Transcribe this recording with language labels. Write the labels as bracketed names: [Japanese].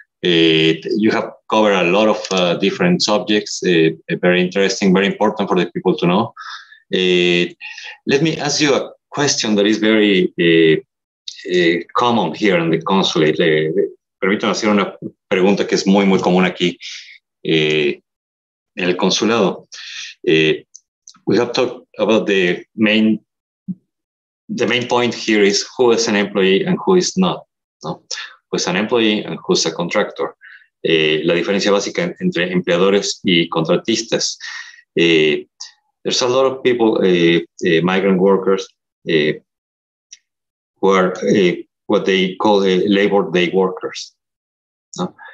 [English] You have covered a lot of different subjects, very interesting, very important for the people to know. Let me ask you a question that is very common here in the consulate. [Spanish] Permítanme hacer una pregunta que es muy, muy común aquí en el consulado. [English] We have talked about the main point here is who is an employee and who is not. No? Who is an employee and who is a contractor. [Spanish] La diferencia básica entre empleadores y contratistas. [English] There's a lot of people, migrant workers, who are what they call labor day workers. No?